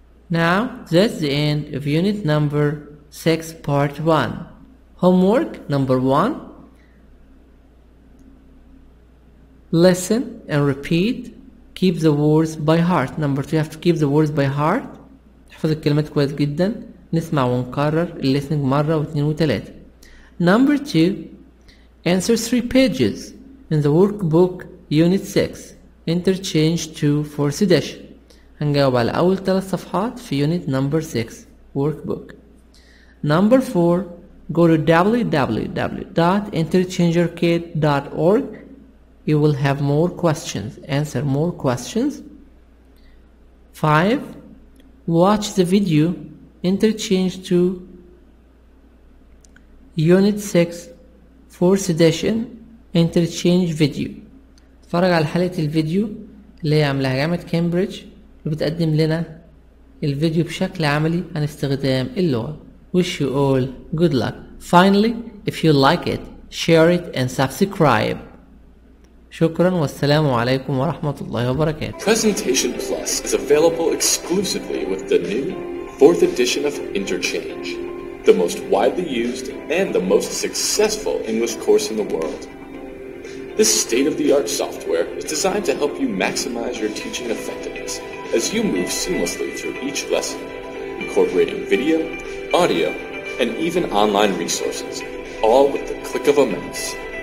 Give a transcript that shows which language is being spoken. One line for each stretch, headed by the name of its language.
English: Now, that's the end of unit number 6, part 1. Homework number 1. Listen and repeat. Keep the words by heart. Number 2, you have to keep the words by heart.
Arabic: احفظ الكلمات كويس جدا. نسمع ونكرر listening مرة واثنين وثلاثة.
English: Number 2, answer 3 pages in the workbook unit 6. Interchange 2 for sedation.
Arabic: هنجاوب على أول ثلاث صفحات في
English: unit number 6 workbook. Number 4, go to www.interchangerkid.org. You will have more questions. Answer more questions. 5, watch the video interchange 2 unit 6 for sedation interchange video.
Arabic: اتفرج على حلقة الفيديو اللي هي عاملها جامعة كامبريدج وبتقدم لنا الفيديو بشكل عملي عن استخدام اللغة.
English: Wish you all good luck. Finally, if you like it, share it and subscribe.
Arabic: شكرا والسلام عليكم ورحمة الله وبركاته.
English: Presentation Plus is available exclusively with the new 4th edition of Interchange, the most widely used and the most successful English course in the world. This state-of-the-art software is designed to help you maximize your teaching effectiveness as you move seamlessly through each lesson, incorporating video, audio, and even online resources, all with the click of a mouse.